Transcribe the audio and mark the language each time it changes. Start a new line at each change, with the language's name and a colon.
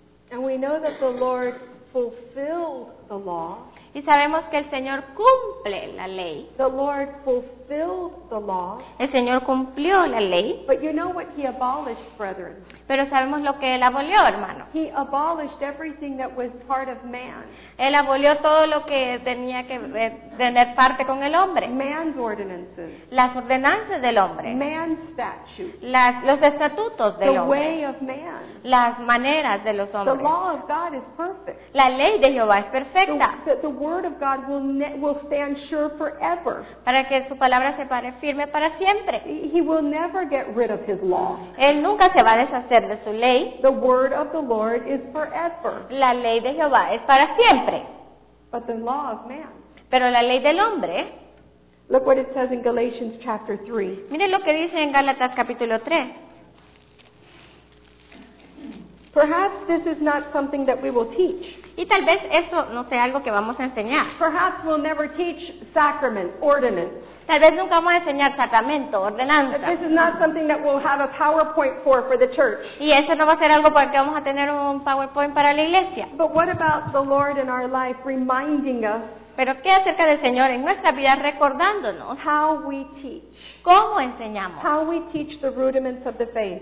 English: And we know that the Lord fulfilled the law.
Spanish: Y sabemos que el Señor cumple la ley.
English: The Lord fulfilled the law.
Spanish: El Señor cumplió la ley.
English: But you know what he abolished, brethren.
Spanish: Pero sabemos lo que Él abolió, hermano.
English: He abolished everything that was part of man.
Spanish: Él abolió todo lo que tenía que tener parte con el hombre.
English: Man's ordinances.
Spanish: Las ordenanzas del hombre.
English: Man's statutes.
Spanish: Los estatutos del
English: the
Spanish: hombre.
English: Way of man.
Spanish: Las maneras de los hombres.
English: The law of God is perfect.
Spanish: La ley de Jehová es perfecta.
English: The word of God will stand sure forever.
Spanish: Para que su palabra se pare firme para siempre.
English: He will never get rid of his law.
Spanish: Él nunca se va a deshacer de su ley.
English: The word of the Lord is forever.
Spanish: La ley de Jehová es para siempre.
English: But the law of man.
Spanish: Pero la ley del hombre.
English: Look what it says in Galatians chapter 3.
Spanish: Miren lo que dice en Gálatas capítulo 3.
English: Perhaps this is not something that we will teach.
Spanish: Y tal vez eso no sea algo que vamos a enseñar.
English: Perhaps we'll never teach sacrament, ordinance.
Spanish: Tal vez nunca vamos a enseñar sacramento, ordenanza.
English: This is not something that we'll have a PowerPoint for the church.
Spanish: Y eso no va a ser algo para que vamos a tener un PowerPoint para la iglesia.
English: But what about the Lord in our life reminding us?
Spanish: Pero ¿qué acerca del Señor en nuestra vida recordándonos?
English: How we teach.
Spanish: ¿Cómo enseñamos?
English: How we teach the rudiments of the faith.